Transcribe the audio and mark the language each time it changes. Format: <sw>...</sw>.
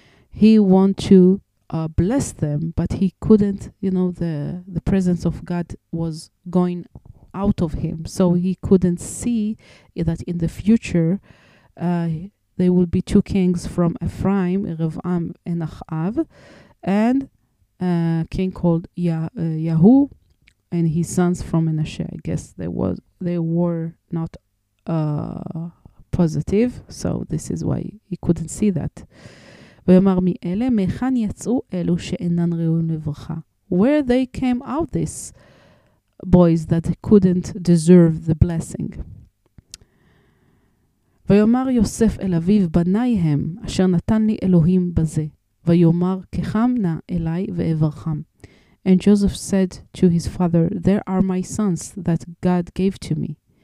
<en>He wants to bless them, but he couldn't, you know, the presence of God was going out of him, so he couldn't see that in the future there will be two kings from Ephraim, Rev'am and Achav, and a king called Yahu and his sons from Menashe. I guess they were not positive, so this is why he couldn't see that.</en> <he>ויאמר מי אלה, מכאן יצאו אלו שאינן ראויים לברכה.</he> <en>Where they came out, these boys that couldn't deserve the blessing.</en> <he>ויאמר יוסף אל אביו, בני הם, אשר נתן לי אלוהים בזה. ויאמר, כחם נא אליי ואברכם.</he> <en>And Joseph said to his father, there are my sons that God gave to me.</en>